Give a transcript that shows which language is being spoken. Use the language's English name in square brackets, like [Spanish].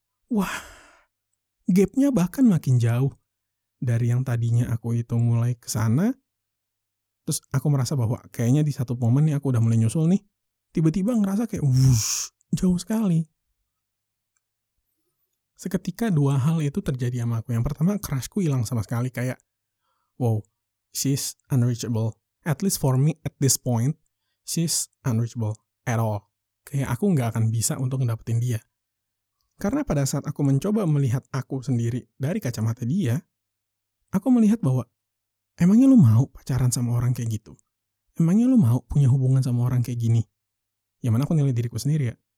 [Indonesian] Wah, gapnya bahkan makin jauh. Dari yang tadinya aku itu mulai kesana, terus aku merasa bahwa kayaknya di satu momen nih aku udah mulai nyusul nih, tiba-tiba ngerasa kayak wush, jauh sekali. Seketika dua hal itu terjadi sama aku. Yang pertama, crushku hilang sama sekali. [English] Kayak, wow, she's unreachable. At least for me at this point, she's unreachable at all. [Indonesian] Kayak aku nggak akan bisa untuk ngedapetin dia. Karena pada saat aku mencoba melihat aku sendiri dari kacamata dia, aku melihat bahwa, emangnya lu mau pacaran sama orang kayak gitu? Emangnya lu mau punya hubungan sama orang kayak gini? Ya mana aku nilai diriku sendiri ya?